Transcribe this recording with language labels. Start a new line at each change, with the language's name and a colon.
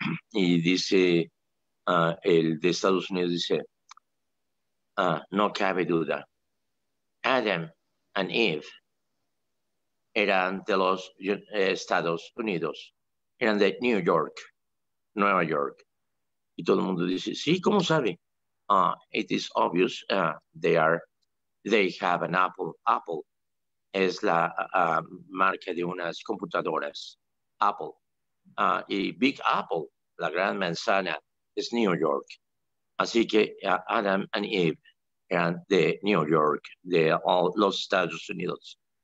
Spanish: Y dice, el de Estados Unidos dice, no cabe duda, Adam and Eve eran de los Estados Unidos, eran de New York, Nueva York. Y todo el mundo dice, sí, ¿cómo sabe?
English: It is obvious, they have an Apple.
Spanish: Apple es la marca de unas computadoras. Apple. Y Big Apple, la gran manzana, es New York. Así que Adam and Eve eran de New York, de los Estados Unidos.